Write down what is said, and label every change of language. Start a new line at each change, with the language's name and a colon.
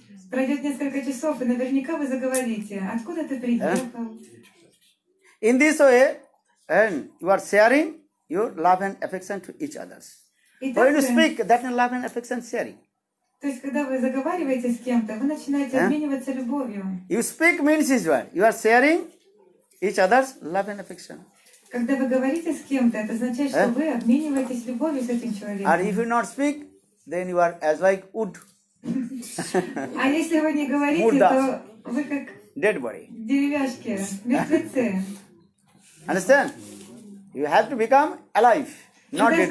Russian: Пройдет несколько часов, и наверняка вы заговорите. Откуда ты приехал?
English: In this way, you are sharing your love and affection to each others.
Russian: Итак,
English: when you speak, that is love and affection sharing.
Russian: То есть, когда вы заговариваете с кем-то, вы начинаете обмениваться любовью.
English: You speak means is what? You are sharing each other's love and affection.
Russian: Когда вы говорите с кем-то, это означает, что вы обмениваетесь любовью с этим человеком.
English: Or if you not speak, then you are as like wood.
Russian: А если вы не говорите, то вы как
English: dead body.
Russian: Деревяшки, мертвецы.
English: Understand? You have to become alive, not dead body.